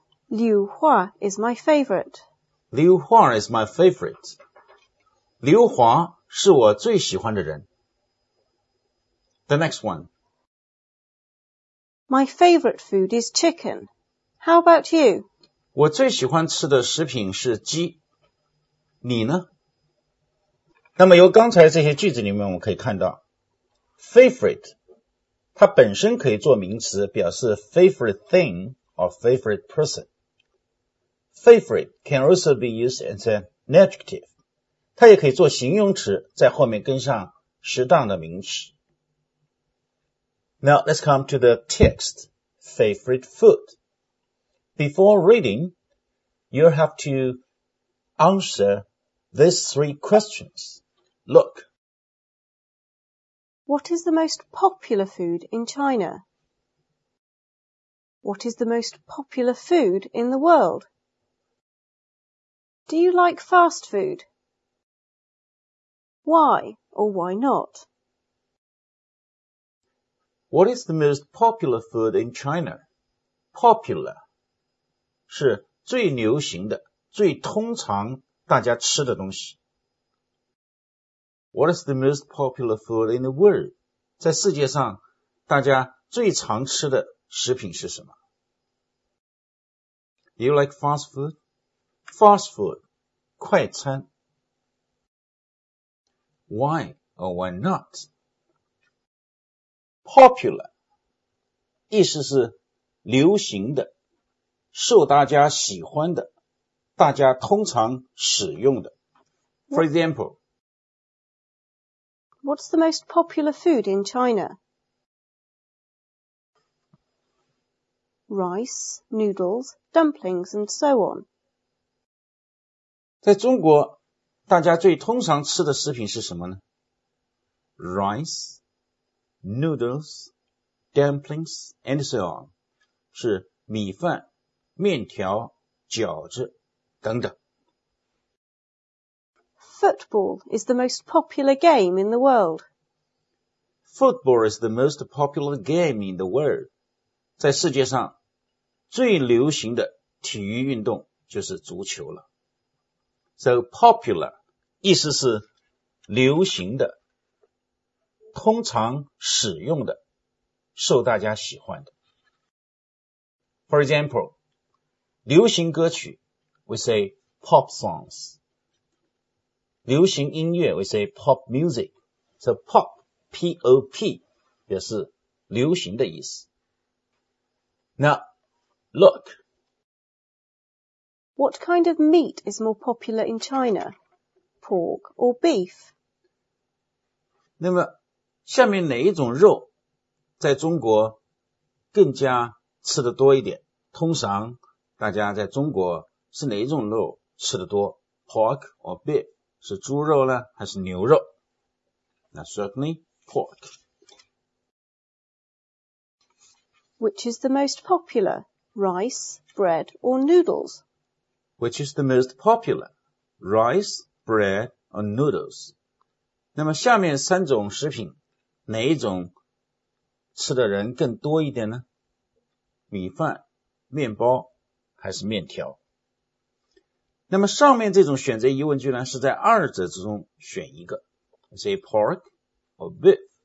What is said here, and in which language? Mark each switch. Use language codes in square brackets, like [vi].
[en] Liu Hua is my favorite. Liu Hua is my favorite. [zh] 刘华是我最喜欢的人。 [en] The next one. My favorite food is chicken. How about you? [zh] 我最喜欢吃的食品是鸡。你呢？那么由刚才这些句子里面我们可以看到 favorite, 它本身可以做名词表示 [en] favorite thing or favorite person. Favorite can also be used as an adjective. [zh] 它也可以做形容词，在后面跟上适当的名词。 [en] Now, let's come to the text, favorite food. Before reading, you have to answer these three questions. Look. What is the most popular food in China? What is the most popular food in the world? Do you like fast food? Why or why not? What is the most popular food in China? [zh] Popular 是最流行的、最通常大家吃的东西。 [en] What is the most popular food in the world? [zh] 在世界上大家最常吃的食品是什么？ [en] Do you like fast food? Fast food, 快餐。 Why or why not? [zh] Popular, 意思是流行的，受大家喜欢的，大家通常使用的。 [en] For example, What's the most popular food in China? Rice, noodles, dumplings, and so on. [zh] 在中国大家最通常吃的食品是什么呢? [en] Rice, noodles, dumplings, and so on. [zh] 是米饭、面条、饺子等等。 [en] Football is the most popular game in the world. Football is the most popular game in the world. [zh] 在世界上最流行的体育运动就是足球了。 [en] So popular. [zh] 意思是流行的、通常使用的、受大家喜欢的。 [en] For example, 流行歌曲 we say pop songs. 流行音乐 we say pop music. So pop, P-O-P, [zh] 表示流行的意思。 [en] Now, look. What kind of meat is more popular in China? Pork or beef? [zh] 那么下面哪一种肉在中国更加吃得多一点？通常大家在中国是哪一种肉吃得多 ? [en] Pork or beef? [zh] 是猪肉呢还是牛肉？那 [en] certainly pork. Which is the most popular? Rice, bread or noodles? Which is the most popular? Rice,Bread or noodles. [zh] 那么下面三种食品哪一种吃的人更多一点呢？米饭、面包还是面条？那么上面这种选择疑问句呢，是在二者之中选一个 [en] say pork or beef.